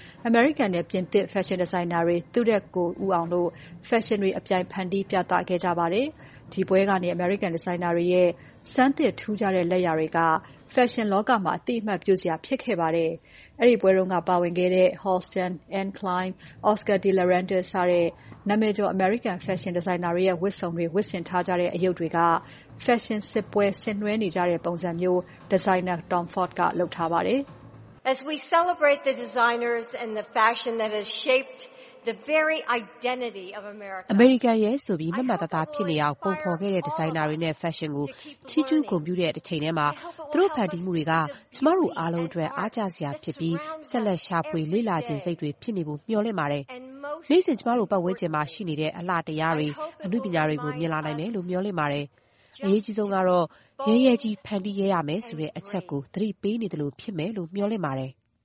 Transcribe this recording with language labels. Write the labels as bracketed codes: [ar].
[my] American နဲ့ပြင်သစ် fashion designer တွေသူတဲ့ကိုဦးအောင်တို့ fashion တွေအပြိုင်ဖန်တီးပြသခဲ့ကြပါရယ်ဒီပွဲကနေ American designer ရဲ့စမ်းသစ်ထူးခြားတဲ့လက်ရာတွေက fashion လောကမှာအသိအမှတ်ပြုစရာဖြစ်ခဲ့ပါတယ်။အဲ့ဒီပွဲတော့ကပါဝင်ခဲ့တဲ့ Holsten, Anne Klein, Oscar de la Renta စတဲ့နာမည်ကျော် American fashion designer ရဲ့ဝတ်စုံတွေဝတ်ဆင်ထားကြတဲ့အယုတ်တွေက fashion စစ်ပွဲဆင်နွှဲနေကြတဲ့ပုံစံမျိုး designer Tom Ford ကလုပ်ထားပါတယ် [en] ။ As we celebrate the designers and the fashion that has shapedThe very identity of America. [my] America ရဲ့ဆိုပြီးမမတသားဖြစ်နေအောင်ပုံဖော်ခဲ့တဲ့ဒီဇိုင်နာတွေနဲ့ fashion ကိုချီးကျူးဂုဏ်ပြုတဲ့အချိန်ထဲမှာသူတို့ဖန်တီးမှုတွေကကျမတို့အားလုံးအတွက်အားကျစရာဖြစ်ပြီးဆက်လက်ရှာဖွေလေ့လာခြင်းစိတ်တွေဖြစ်နေဖို့မျှော်လင့်ပါတယ်။နေ့စဉ်ကျမတို့ပတ်ဝန်းကျင်မှာရှိနေတဲ့အလှတရားတွေအမှုပညာတွေကိုမြင်လာနိုင်တယ်လို့မျှော်လင့်ပါတယ်။အရေးကြီးဆုံးကတော့ရဲရဲကြီးဖန်တီးရရမယ်ဆိုတဲ့အချက်ကိုသတိပေးနေတယ်လို့ဖြစ်မယ်လို့မျှော်လင့်ပါတယ်။